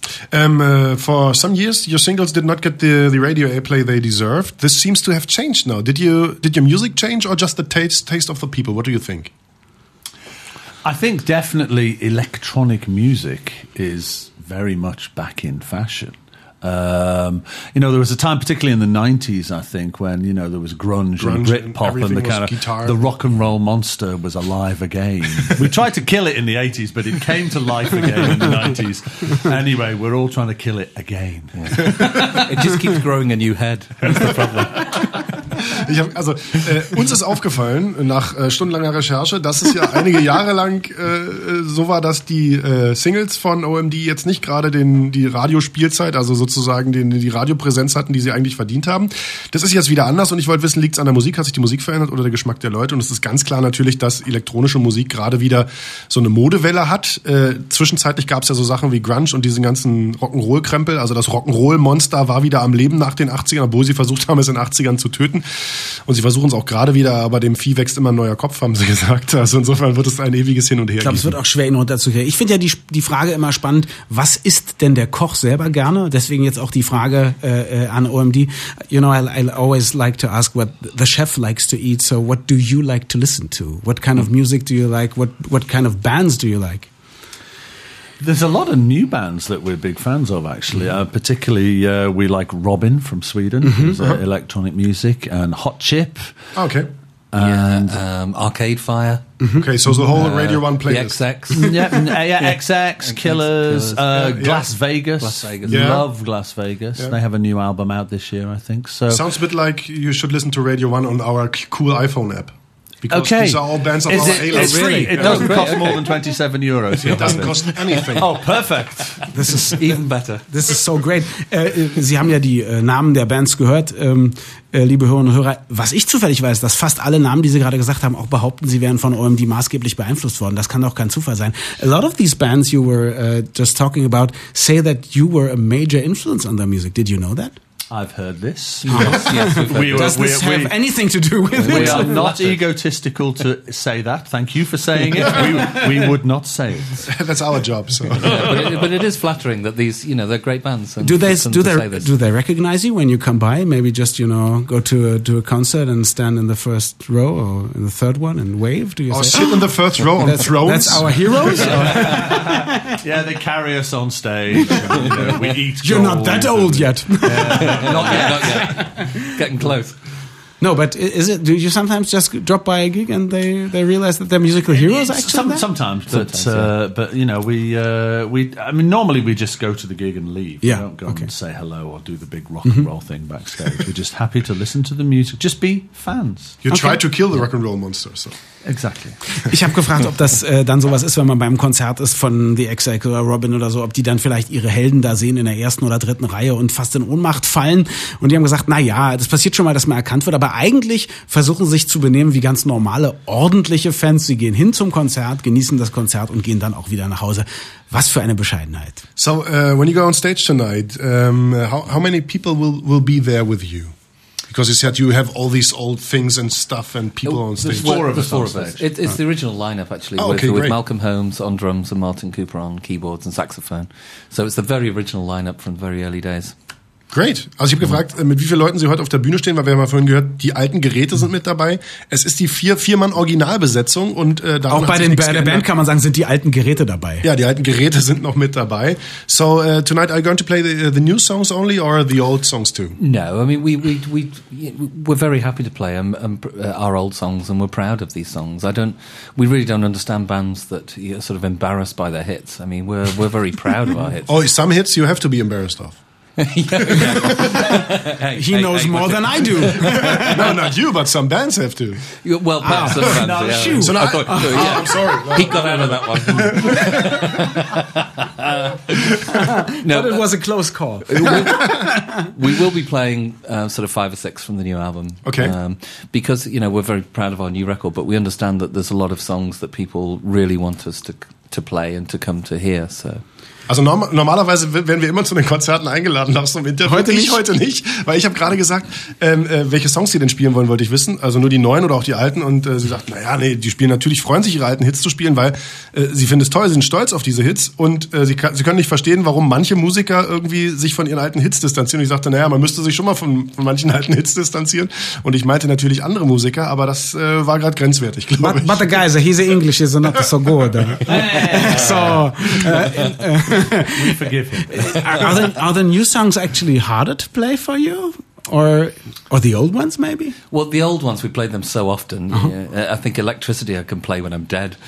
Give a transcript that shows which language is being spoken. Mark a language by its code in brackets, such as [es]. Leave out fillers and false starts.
[en] For some years, your singles did not get the radio airplay they deserved. This seems to have changed now. Did your music change, or just the taste of the people? What do you think? I think definitely electronic music is very much back in fashion. You know, there was a time, particularly in the 90s, I think, when, you know, there was grunge and Britpop and the kind of guitar. The rock and roll monster was alive again. We tried to kill it in the 80s, but it came to life again in the 90s. Anyway, we're all trying to kill it again. Yeah. It just keeps growing a new head. That's the problem. [de] Ich hab, also uns ist aufgefallen nach stundenlanger Recherche, dass es ja einige Jahre lang so war, dass die Singles von OMD jetzt nicht gerade die Radiospielzeit, also sozusagen die Radiopräsenz hatten, die sie eigentlich verdient haben. Das ist jetzt wieder anders und ich wollte wissen, liegt es an der Musik? Hat sich die Musik verändert oder der Geschmack der Leute? Und es ist ganz klar natürlich, dass elektronische Musik gerade wieder so eine Modewelle hat. Zwischenzeitlich gab es ja so Sachen wie Grunge und diesen ganzen Rock'n'Roll-Krempel. Also das Rock'n'Roll-Monster war wieder am Leben nach den 80ern, obwohl sie versucht haben, es in den 80ern zu töten. Und sie versuchen es auch gerade wieder, aber dem Vieh wächst immer ein neuer Kopf, haben sie gesagt. Also insofern wird es ein ewiges Hin und Her. Ich glaube, es wird auch schwer, ihn runterzukehren. Ich finde ja die Frage immer spannend, was isst denn der Koch selber gerne? Deswegen jetzt auch die Frage an OMD. [en] You know, I always like to ask what the chef likes to eat, so what do you like to listen to? What kind of music do you like? What kind of bands do you like? There's a lot of new bands that we're big fans of, actually. Mm-hmm. Particularly, we like Robin from Sweden, mm-hmm. who's electronic music, and Hot Chip. Okay. And yeah. Arcade Fire. Mm-hmm. Okay, so the whole Radio 1 playlist. The XX. XX, Killers, Glass Vegas. Las Vegas. Yeah. Love Glass Vegas. Yeah. They have a new album out this year, I think. So sounds a bit like you should listen to Radio 1 on our cool iPhone app. Because okay. These are all bands of our A-list. It's free. Really? It doesn't cost more than 27 euros. It doesn't cost anything. Oh, perfect. This is even better. This is so great. [de] Sie haben ja die Namen der Bands gehört. Liebe Hörerinnen und Hörer, was ich zufällig weiß, dass fast alle Namen, die Sie gerade gesagt haben, auch behaupten, sie wären von OMD maßgeblich beeinflusst worden. Das kann doch kein Zufall sein. [en] A lot of these bands you were just talking about say that you were a major influence on their music. Did you know that? I've heard this. Anything to do with we it? We are not egotistical to say that. Thank you for saying it. We would not say it. That's our job. So, but it is flattering that these, you know, they're great bands. And do they recognize you when you come by? Maybe just, you know, go to a concert and stand in the first row or in the third one and wave. Do you or sit in the first row on thrones? That's our heroes. Yeah, they carry us on stage. You know, we eat. You're not that old yet. Not yet. Getting close. No, but is it? Do you sometimes just drop by a gig and they realize that they're musical heroes? Sometimes, but you know, we normally we just go to the gig and leave. Yeah. We don't go and say hello or do the big rock and roll thing backstage. We're just happy to listen to the music. Just be fans. You try to kill the rock and roll monster. So. Exactly. [de] Ich habe gefragt, ob das dann sowas ist, wenn man beim Konzert ist von The XX oder Robin oder so, ob die dann vielleicht ihre Helden da sehen in der ersten oder dritten Reihe und fast in Ohnmacht fallen. Und die haben gesagt, na ja, das passiert schon mal, dass man erkannt wird. Aber eigentlich versuchen sie sich zu benehmen wie ganz normale, ordentliche Fans. Sie gehen hin zum Konzert, genießen das Konzert und gehen dann auch wieder nach Hause. Was für eine Bescheidenheit. [en] So, when you go on stage tonight, how many people will be there with you? Because you said you have all these old things and stuff and people on stage. It's the original lineup, actually, with Malcolm Holmes on drums and Martin Cooper on keyboards and saxophone. So it's the very original lineup from the very early days. Great. [de] Also ich habe gefragt, mit wie vielen Leuten Sie heute auf der Bühne stehen, weil wir haben ja vorhin gehört, die alten Geräte sind mit dabei. Es ist die Vier-Mann-Originalbesetzung und auch bei der Band kann man sagen, sind die alten Geräte dabei. Ja, die alten Geräte sind noch mit dabei. [en] So tonight are you going to play the new songs only or the old songs too? No, I mean we're very happy to play our old songs and we're proud of these songs. We really don't understand bands that are sort of embarrassed by their hits. I mean we're very proud of our hits. Oh, some hits you have to be embarrassed of. He knows more than I do. No, not you, but some bands have to. Well, perhaps some bands. No, shoot. So now I'm sorry. He got out of that one. No, but it was a close call. We will be playing sort of five or six from the new album. Okay. Because, you know, we're very proud of our new record, but we understand that there's a lot of songs that people really want us to play and to come to hear, so... [de] Also normalerweise werden wir immer zu den Konzerten eingeladen, darfst du im Interview. Heute nicht, weil ich habe gerade gesagt, welche Songs sie denn spielen wollen, wollte ich wissen. Also nur die neuen oder auch die alten. Und sie sagt, naja, nee, die spielen natürlich, freuen sich, ihre alten Hits zu spielen, weil sie finden es toll, sie sind stolz auf diese Hits. Und sie können nicht verstehen, warum manche Musiker irgendwie sich von ihren alten Hits distanzieren. Und ich sagte, naja, man müsste sich schon mal von manchen alten Hits distanzieren. Und ich meinte natürlich andere Musiker, aber das war gerade grenzwertig, glaube ich. [en] But the guys, he's English, he's not so good. We forgive him. are the new songs actually harder to play for you? or the old ones, maybe? Well, the old ones, we played them so often. Uh-huh. Yeah. I think Electricity I can play when I'm dead.